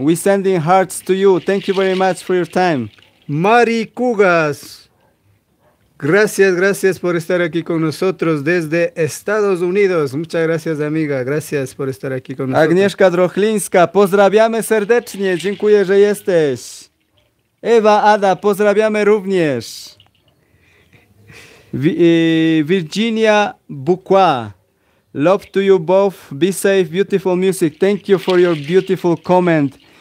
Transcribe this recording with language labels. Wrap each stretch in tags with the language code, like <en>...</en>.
<en>We sending hearts to you. Thank you very much for your time. Mari Cugas.</en> <es>Gracias, gracias por estar aquí con nosotros desde Estados Unidos. Muchas gracias, amiga. Gracias por estar aquí con nosotros.</es> <pl>Agnieszka Drochlińska, pozdrawiamy serdecznie. Dziękuję, że jesteś. Ewa Ada, pozdrawiamy również.</pl> <en>Virginia Bukwa, love to you both. Be safe, beautiful music. Thank you for your beautiful comment.</en>